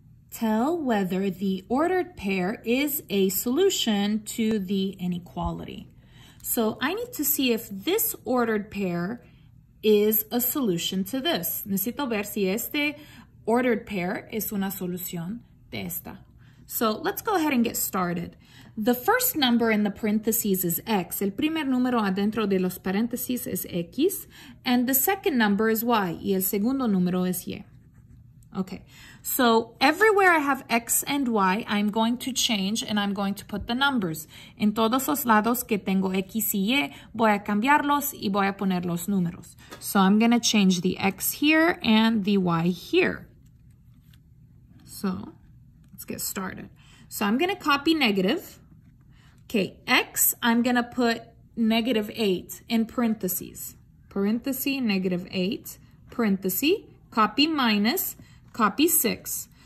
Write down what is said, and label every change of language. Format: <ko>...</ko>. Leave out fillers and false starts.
<en>tell whether the ordered pair is a solution to the inequality. So I need to see if this ordered pair is a solution to this.</en> <es>Necesito ver si este</es> <en>ordered pair</en> <es>es una solución de esta.</es> <en>So let's go ahead and get started. The first number in the parentheses is x.</en> <es>El primer número adentro de los paréntesis es x.</es> <en>And the second number is y.</en> <es>Y el segundo número es y.</es> <en>Okay, so everywhere I have x and y, I'm going to change and I'm going to put the numbers.</en> <es>En todos los lados que tengo x y y, voy a cambiarlos y voy a poner los números.</es> <en>So I'm going to change the x here and the y here. So let's get started. So I'm going to copy negative. Okay, x, I'm going to put negative 8 in parentheses. Parenthesis, negative 8, parenthesis, copy minus, copy 6.</en>